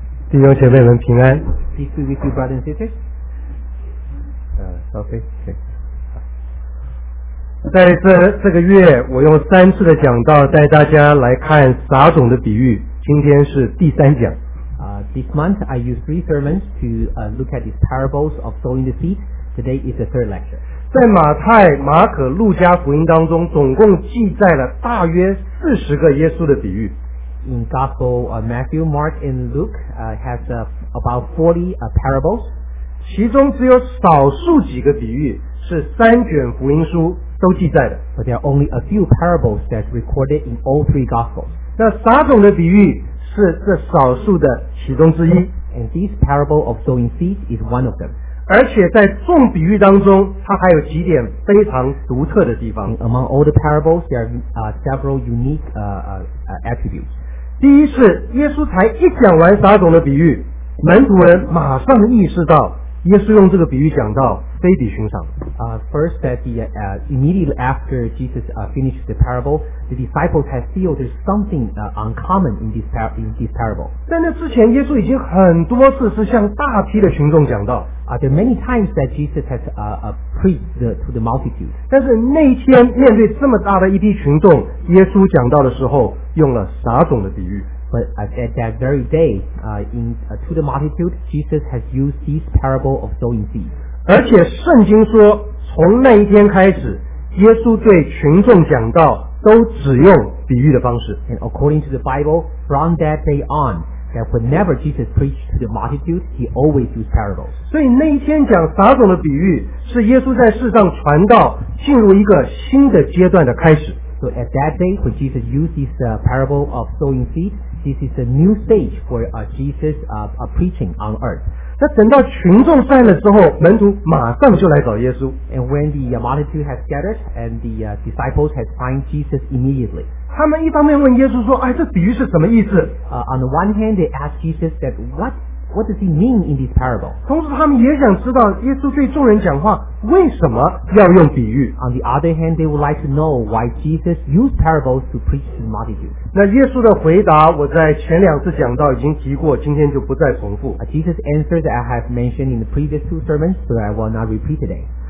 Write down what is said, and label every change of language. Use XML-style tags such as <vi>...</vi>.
<zh>弟兄姐妹们平安。</zh> <en>Peace be with you, brothers and sisters. Okay.</en> <zh>在这个月，我用3次的讲道带大家来看撒种的比喻。今天是第三讲。</zh> <en>This month I use 3 sermons to look at these parables of sowing the seed. Today is the 3rd lecture.</en> <zh>在马太、马可、路加福音当中，总共记载了大约40个耶稣的比喻。</zh> <en>In Gospel Matthew, Mark, and Luke has about 40 parables.</en> <zh>其中只有少数几个比喻是三卷福音书都记载的。</zh> <en>But there are only a few parables that's recorded in all 3 Gospels.</en> <zh>那撒种的比喻是这少数的其中之一。</zh> <en>And this parable of sowing seeds is one of them.</en> <zh>而且在众比喻当中，它还有几点非常独特的地方。</zh> <en>Among all the parables, there are several unique attributes.</en> <zh>第一是，耶稣才一讲完撒种的比喻，门徒们马上意识到，耶稣用这个比喻讲道非比寻常。</zh> <en>First, that the immediately after Jesus finished the parable, the disciples had feel there's something uncommon in this parable.</en> <zh>在那之前，耶稣已经很多次是向大批的群众讲道。</zh> <en>There are many times that Jesus has preached to the multitude.</en> <zh>但是那一天面对这么大的一批群众，耶稣讲道的时候用了撒种的比喻。</zh> <en>But at that very day, to the multitude, Jesus has used this parable of sowing seed.</en> <zh>而且圣经说，从那一天开始，耶稣对群众讲道都只用比喻的方式。</zh> <en>And according to the Bible, from that day on, that whenever Jesus preached to the multitude, he always used parables.</en> <zh>所以那一天讲撒种的比喻，是耶稣在世上传道进入一个新的阶段的开始。</zh> <en>So at that day, when Jesus used this parable of sowing seed, this is a new stage for Jesus preaching on earth.</en> <zh>那等到群众散了之后，门徒马上就来找耶稣。</zh> <en>And when the multitude has gathered and the disciples had found Jesus immediately.</en> <zh>他们一方面问耶稣说，哎，这比喻是什么意思？</zh> <en>On the one hand, they asked Jesus that what does he mean in this parable?</en> <zh>同时他们也想知道耶稣对众人讲话为什么要用比喻。</zh> <en>On the other hand, they would like to know why Jesus used parables to preach to the multitude.</en> <zh>那耶稣的回答我在前两次讲到已经提过，今天就不再重复。</zh> <en>Jesus answered that I have mentioned in the previous two sermons, so I will not repeat today.</en>